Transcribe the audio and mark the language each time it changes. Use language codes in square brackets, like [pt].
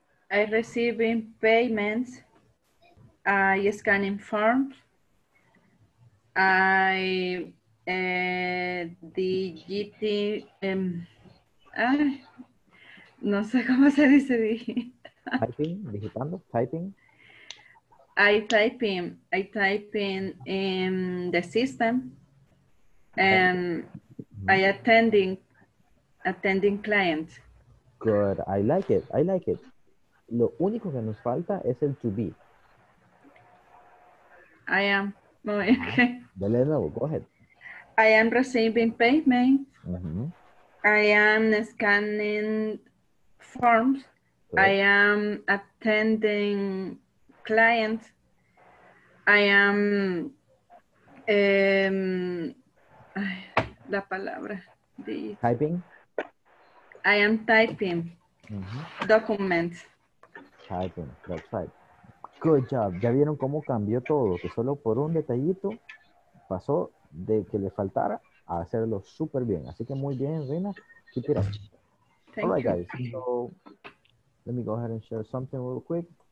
[en] I receiving payments, I scanning forms, I [es] no sé cómo se dice. Digitando, typing. [en] I typing in the system, and okay. I attending clients. Good, I like it. [es] Lo único que nos falta es el to be. [en] I am. Okay. [es] Dale de nuevo, [en] go ahead. I am receiving payment. Uh-huh. I am scanning forms. Good. I am attending clients. I am... [es] la palabra. [en] Typing? I am typing. Uh-huh. Documents. Typing, that's right. Good job. [es] Ya vieron cómo cambió todo, que solo por un detallito pasó de que le faltara a hacerlo súper bien. Así que muy bien, Reina. [en] Keep it up. Thank All right, guys. So, let me go ahead and share something real quick.